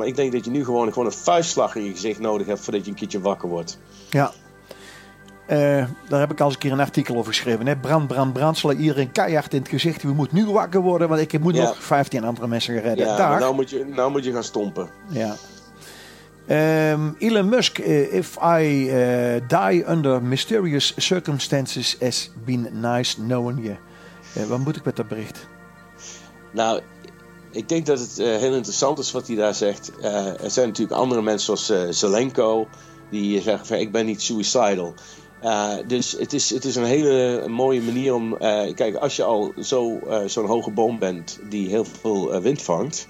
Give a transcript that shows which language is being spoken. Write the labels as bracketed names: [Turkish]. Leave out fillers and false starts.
[Dutch] Maar ik denk dat je nu gewoon een vuistslag in je gezicht nodig hebt voordat je een keertje wakker wordt. Ja, daar heb ik al eens een keer een artikel over geschreven. Hè? Brand, slaan iedereen keihard in het gezicht. We moeten nu wakker worden, want ik moet nog 15 andere mensen redden. Ja, maar nou moet je gaan stompen. Ja. [English] Elon Musk, if I die under mysterious circumstances, it's been nice knowing you. [Dutch] Wat moet ik met dat bericht? Nou, ik denk dat het heel interessant is wat hij daar zegt. Er zijn natuurlijk andere mensen zoals Zelenko, die zeggen van ik ben niet suicidal. Dus het is een hele mooie manier om... Kijk, als je al zo'n hoge boom bent die heel veel wind vangt...